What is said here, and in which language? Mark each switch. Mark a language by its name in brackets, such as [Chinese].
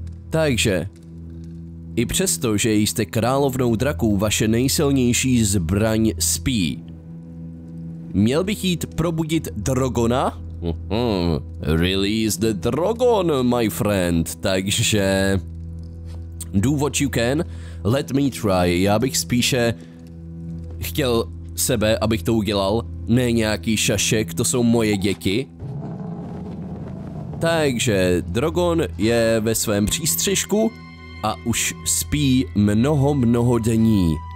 [Czech] Takže, i přesto, že jste královnou draků, vaše nejsilnější zbraň spí. Měl bych jít probudit Drogona? [English] Release the Drogon, my friend. Takže, do what you can, let me try. [Czech] Já bych spíše chtěl sebe, abych to udělal. Ne nějaký šašek, to jsou moje děti. Takže Drogon je ve svém přístřešku a už spí mnoho dní.